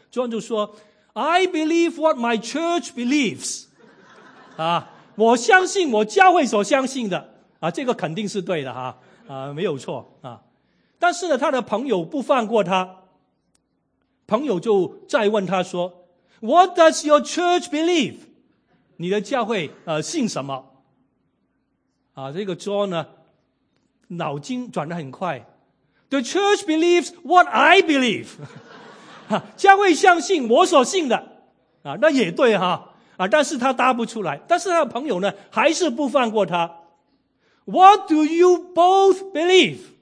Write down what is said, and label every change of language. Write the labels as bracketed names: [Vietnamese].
[Chinese] John 就说 [English] I believe what my church believes [Chinese] 我相信我教会所相信的这个肯定是对的没有错但是呢他的朋友不放过他，朋友就再问他说 [English] What does your church believe? [Chinese] 你的教会信什么这个 John 呢脑筋转得很快， [English] The church believes what I believe. [Chinese] 教会相信我所信的。啊，那也对哈。啊，但是他答不出来。但是他的朋友呢，还是不放过他。 [English] What do you both believe?